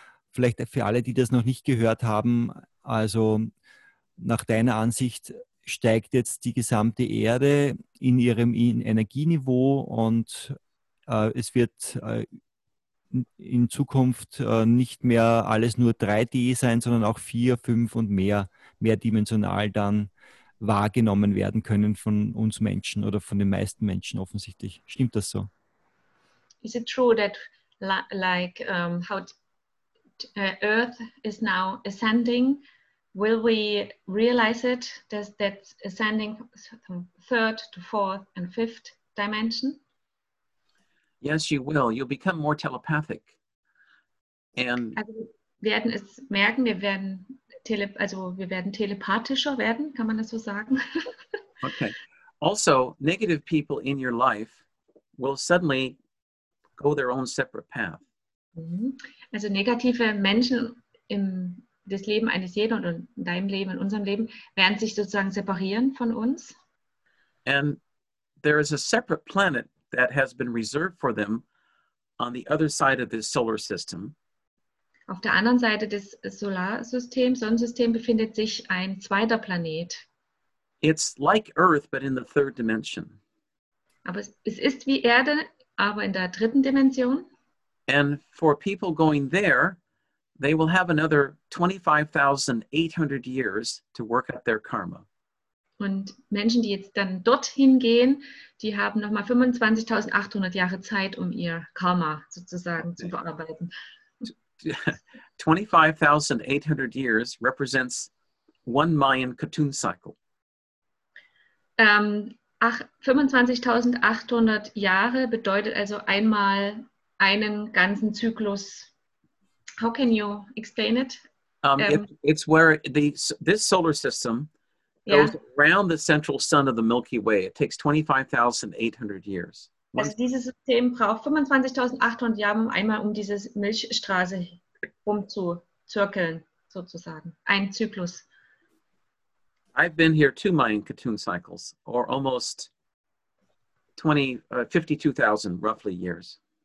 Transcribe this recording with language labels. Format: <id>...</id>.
<de>Vielleicht für alle, die das noch nicht gehört haben, also nach deiner Ansicht steigt jetzt die gesamte Erde in ihrem Energieniveau, und es wird in Zukunft nicht mehr alles nur 3D sein, sondern auch 4, 5 und mehrdimensional dann wahrgenommen werden können von uns Menschen oder von den meisten Menschen offensichtlich. Stimmt das so?</de> <en>Is it true that like how Earth is now ascending, will we realize it, that ascending from third to fourth and fifth dimension? Yes, you will. You'll become more telepathic. And</en> <de>also, werden es merken, wir werden telepathischer werden, kann man das so sagen? Okay.</de> <en>Also, negative people in your life will suddenly go their own separate path.</en> <de>Also negative Menschen im das Leben eines jeden und in deinem Leben, in unserem Leben, werden sich sozusagen separieren von uns.</de> <en>And there is a separate planet that has been reserved for them on the other side of this solar system.</en> <de>Auf der anderen Seite des Solarsystems, Sonnensystem, befindet sich ein zweiter Planet.</de> <en>It's like Earth, but in the third dimension.</en> <de>Aber es ist wie Erde, aber in der dritten Dimension.</de> <en>And for people going there, they will have another 25,800 years to work up their karma.</en> <de>Und Menschen, die jetzt dann dorthin gehen, die haben nochmal 25.800 Jahre Zeit, um ihr Karma sozusagen zu bearbeiten.</de> <en>25.800 years represents 1 Mayan cartoon cycle.</en> <de>25.800 Jahre bedeutet also einmal einen ganzen Zyklus.</de> <en>How can you explain it? It's where this solar system goes around the central sun of the Milky Way. It takes 25,800 years.</en> <de>Also dieses System braucht 25.800 Jahre, einmal um diese Milchstraße rumzuzirkeln, sozusagen. Ein Zyklus.</de> <en>I've been here two Mayan cartoon cycles, or almost 52,000 roughly years.</en>